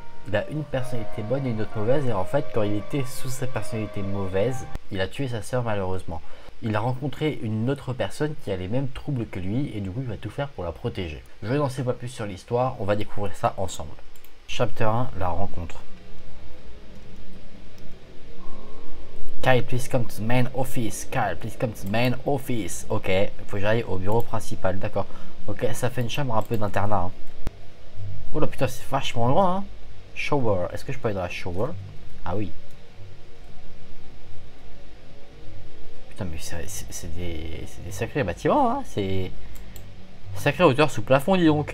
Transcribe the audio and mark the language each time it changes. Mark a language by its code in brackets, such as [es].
[fr] Il a une personnalité bonne et une autre mauvaise, et en fait quand il était sous sa personnalité mauvaise, il a tué sa sœur malheureusement. Il a rencontré une autre personne qui a les mêmes troubles que lui et du coup il va tout faire pour la protéger. Je n'en sais pas plus sur l'histoire, on va découvrir ça ensemble. Chapitre 1, la rencontre. [en] Kyle, please come to the main office. Kyle, please come to the main office. [fr] Ok, il faut que j'aille au bureau principal, d'accord. Ok, ça fait une chambre un peu d'internat. Hein. Oh là putain, c'est vachement loin. Hein. Shower, est-ce que je peux aller dans la shower? Ah oui. Putain, mais c'est des sacrés bâtiments, hein. C'est sacré hauteur sous plafond, dis donc.